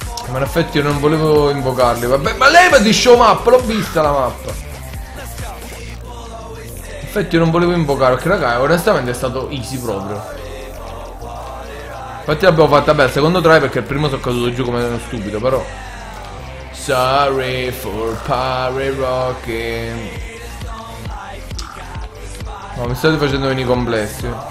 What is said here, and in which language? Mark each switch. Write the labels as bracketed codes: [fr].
[it] Ma in effetti io non volevo invocarli. Vabbè, ma levati [en] show map, [it] l'ho vista la mappa. In effetti io non volevo invocarli, perché raga, onestamente è stato easy proprio. Infatti l'abbiamo fatta bene, secondo [en] try, [it] perché il primo sono caduto giù come uno stupido, però. [en] Sorry for party rocking. [it] Ma no, mi state facendo venire complessi.